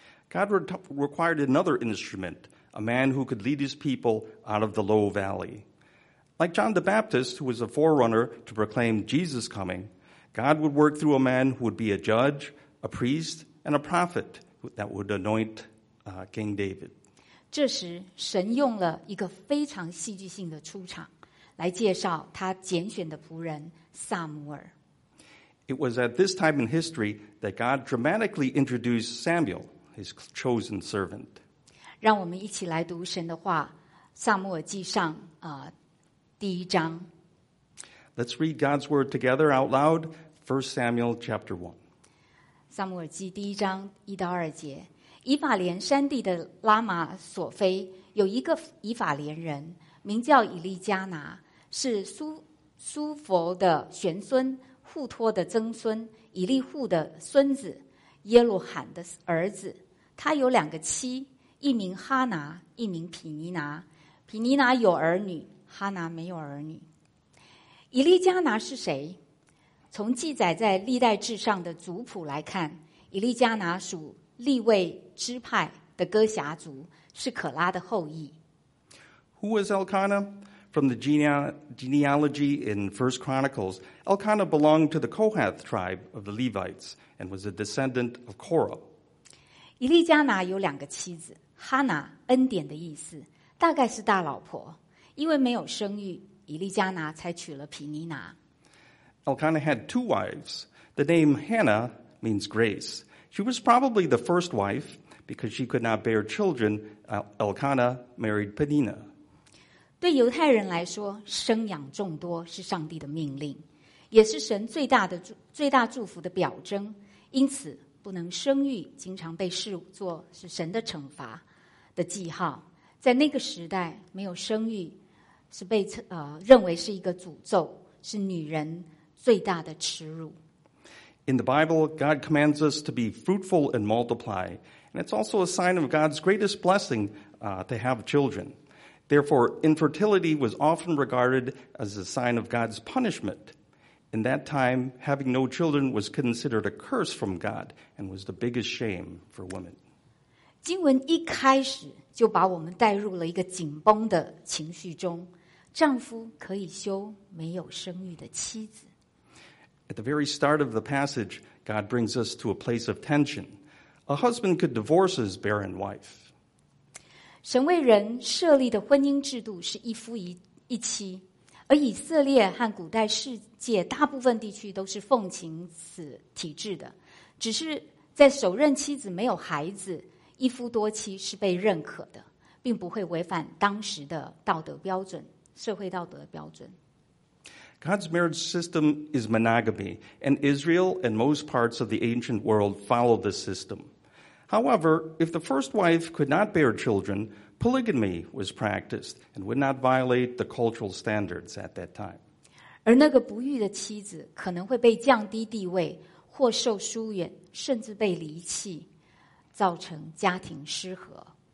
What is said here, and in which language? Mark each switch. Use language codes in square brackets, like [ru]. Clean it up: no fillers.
[en] God required another instrument, a man who could lead his people out of the low valley. Like John the Baptist, who was a forerunner to proclaim Jesus' coming, God would work through a man who would be a judge, a priest, and a prophet that would anoint King David. [zh] 这时神用了一个非常戏剧性的出场来介绍他拣选的仆人撒母耳。 [en] It was at this time in history that God dramatically introduced Samuel, his chosen servant. [zh] 让我们一起来读神的话，撒母耳记上第一章。 [en] Let's read God's word together out loud, 1 Samuel chapter 1. [zh] 撒母耳记第一章一到二节。以法莲山地的拉玛索菲有一个以法莲人，名叫以利加拿，是苏佛的玄孙，户托的曾孙，以利户的孙子，耶路罕的儿子。他有两个妻，一名哈拿，一名皮尼拿。皮尼拿有儿女，哈拿没有儿女。以利加拿是谁？从记载在历代志上的族谱来看，以利加拿属利未支派的哥辖族，是可拉的后裔。 [en] Who was Elkanah? From the genealogy in 1 Chronicles, Elkanah belonged to the Kohath tribe of the Levites and was a descendant of Korah. [zh] 以利加拿有两个妻子，哈拿，恩典的意思，大概是大老婆。因为没有生育，以利加拿才娶了皮尼拿。 [en] Elkanah had two wives. The name Hannah means grace. She was probably the first wife because she could not bear children. Elkanah married Peninnah. [zh] 对犹太人来说，生养众多是上帝的命令，也是神最大祝福的表征。因此，不能生育经常被视作是神的惩罚的记号。在那个时代，没有生育是被认为是一个诅咒，是女人最大的耻辱。 [en] In the Bible, God commands us to be fruitful and multiply, and it's also a sign of God's greatest blessing, to have children. Therefore, infertility was often regarded as a sign of God's punishment. In that time, having no children was considered a curse from God and was the biggest shame for women. [zh] 经文一开始就把我们带入了一个紧绷的情绪中，丈夫可以休没有生育的妻子。 [en] At the very start of the passage, God brings us to a place of tension. A husband could divorce his barren wife. [zh] 神为人设立的婚姻制度是一夫一妻，而以色列和古代世界大部分地区都是奉行此体制的，只是在首任妻子没有孩子，一夫多妻是被认可的，并不会违反当时的道德标准，社会道德标准。 [en] God's marriage system is monogamy, and Israel and most parts of the ancient world follow this system. However, if the first wife could not bear children, polygamy was practiced and would not violate the cultural standards at that time. [zh] 而那个不育的妻子可能会被降低地位，或受疏远，甚至被离弃，造成家庭失和。